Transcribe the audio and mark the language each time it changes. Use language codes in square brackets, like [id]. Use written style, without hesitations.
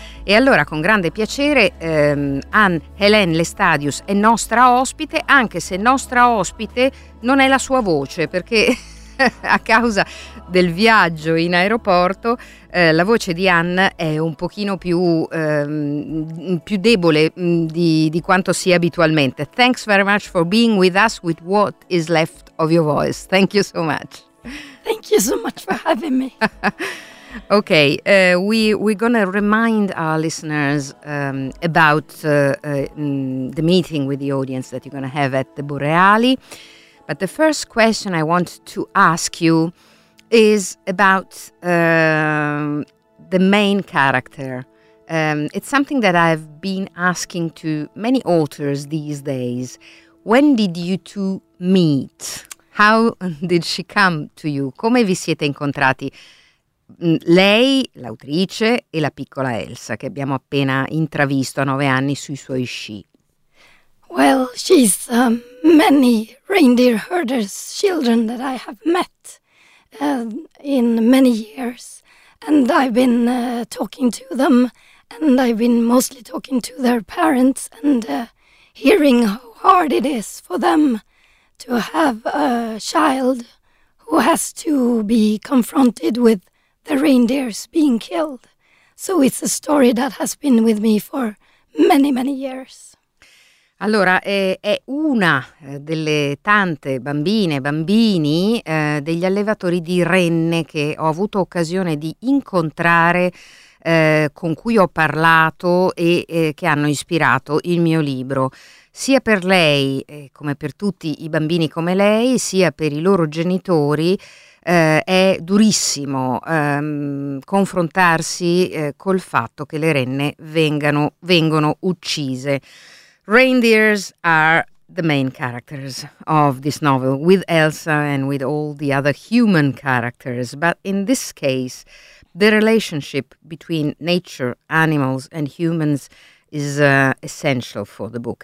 [it] E allora, con grande piacere, Anne-Hélène Lestadius è nostra ospite, anche se nostra ospite non è la sua voce, perché a causa del viaggio in aeroporto la voce di Anne è un pochino più, più debole di quanto sia abitualmente. [en] Thanks very much for being with us with what is left of your voice. Thank you so much. Thank you so much for having me. Okay, we're going to remind our listeners about the meeting with the audience that you're going to have at the Boreali. But the first question I want to ask you is about the main character. It's something that I've been asking to many authors these days. When did you two meet? How did she come to you? [it] Come vi siete incontrati? Lei, l'autrice, e la piccola Elsa, che abbiamo appena intravisto a 9 anni sui suoi sci. [en] Well, she's many reindeer herders' children that I have met in many years. And I've been talking to them, and I've been mostly talking to their parents and hearing how hard it is for them to have a child who has to be confronted with the reindeers being killed. So it's a story that has been with me for many, many years. [it] Allora, è una delle tante bambine, bambini, degli allevatori di renne che ho avuto occasione di incontrare, con cui ho parlato e che hanno ispirato il mio libro. Sia per lei, come per tutti i bambini come lei, sia per i loro genitori, è durissimo confrontarsi col fatto che le renne vengono uccise. [en] Reindeers are the main characters of this novel, with Elsa and with all the other human characters. But in this case, the relationship between nature, animals and humans is essential for the book.